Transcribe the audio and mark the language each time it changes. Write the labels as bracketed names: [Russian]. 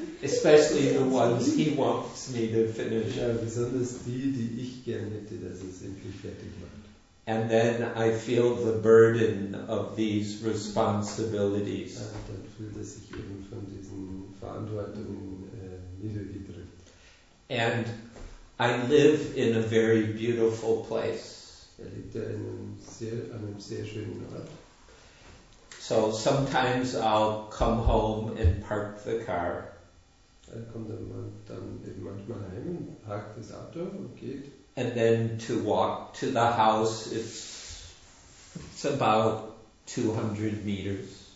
[English] Especially the ones he wants me to finish. [German] Ja, besonders die, die ich gerne hätte, dass es endlich fertig macht. [English] And then I feel the burden of these responsibilities. [German] Dann fühlt er sich eben von diesen Verantwortungen niedergedrückt. [English] And I live in a very beautiful place. [German] Er lebt ja in einem sehr schönen Ort. [English] So sometimes I'll come home and park the car. [German] Er kommt dann eben manchmal heim und parkt das Auto und geht. [English] And then to walk to the house, it's about 200 meters.